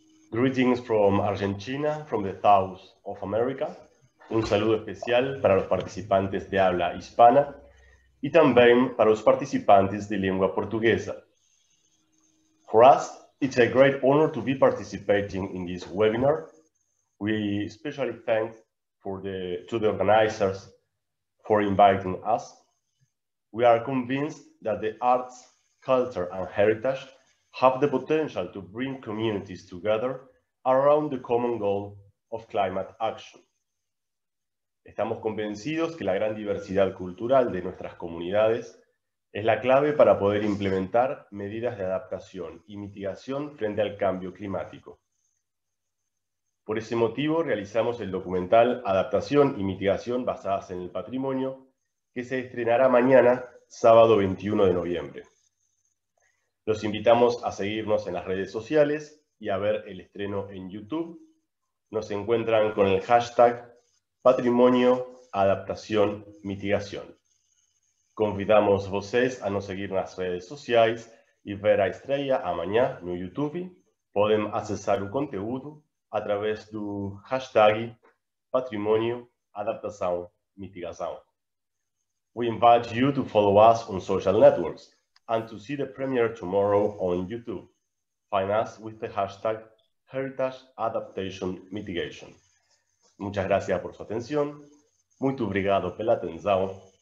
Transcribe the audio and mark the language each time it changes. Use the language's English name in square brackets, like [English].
[English] Greetings from Argentina, from the South of America. [Spanish] Un saludo especial para los participantes de habla hispana y también para los participantes de lengua portuguesa. [English] For us, it's a great honor to be participating in this webinar. We especially thank to the organizers for inviting us. We are convinced that the arts, culture, and heritage have the potential to bring communities together around the common goal of climate action. [Spanish] Estamos convencidos que la gran diversidad cultural de nuestras comunidades es la clave para poder implementar medidas de adaptación y mitigación frente al cambio climático. Por ese motivo, realizamos el documental Adaptación y Mitigación Basadas en el Patrimonio, que se estrenará mañana, sábado 21 de noviembre. Los invitamos a seguirnos en las redes sociales y a ver el estreno en YouTube. Nos encuentran con el hashtag Patrimonio Adaptación Mitigación. [Portuguese] Convidamos a vocês a nos seguir nas redes sociais e ver a estreia amanhã no YouTube. Podem acessar o conteúdo através do hashtag Patrimônio Adaptação Mitigação. [English] We invite you to follow us on social networks and to see the premiere tomorrow on YouTube. Find us with the hashtag Heritage Adaptation Mitigation. [Spanish] Muchas gracias por su atención. [Portuguese] Muito obrigado pela atenção.